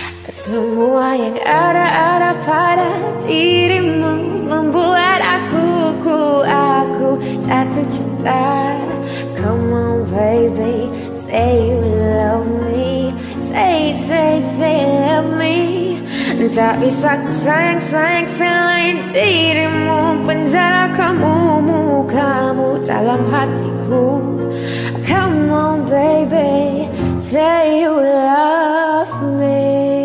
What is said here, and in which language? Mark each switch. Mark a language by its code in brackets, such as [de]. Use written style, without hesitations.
[id] Semua yang ada pada dirimu membuat aku jatuh cinta. [en] Come on baby, say you love me, say love me. [id] Tak bisa ku sayang selain dirimu. Penjara kamu dalam hatiku. [en] Come on baby, say you love me.